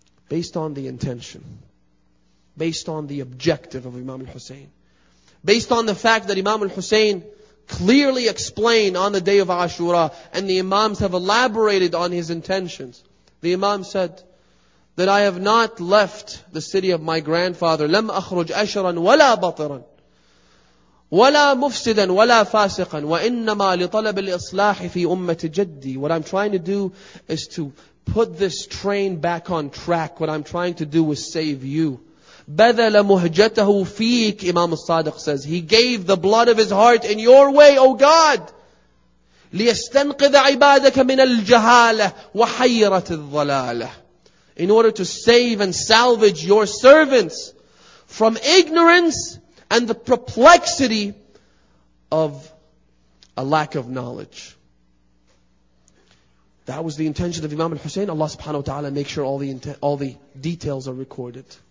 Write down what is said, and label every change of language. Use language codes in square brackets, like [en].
[en] Based on the intention. Based on the objective of Imam al-Husayn. Based on the fact that Imam al-Husayn clearly explained on the day of Ashura, and the Imams have elaborated on his intentions. The Imam said, that I have not left the city of my grandfather. [ar] لم أخرج أشرا ولا بطرا ولا مفسدا ولا فاسقا وإنما لطلب الإصلاح في أمة جدي. [en] What I'm trying to do is to put this train back on track. What I'm trying to do is save you. [ar] بذل مهجته فيك, [en] Imam al-Sadiq says. He gave the blood of his heart in your way, O God. [ar] ليستنقذ عبادك من الجهالة وحيرة الضلالة. [en] In order to save and salvage your servants from ignorance and the perplexity of a lack of knowledge. That was the intention of Imam al-Hussein. Allah subhanahu wa ta'ala makes sure all the details are recorded.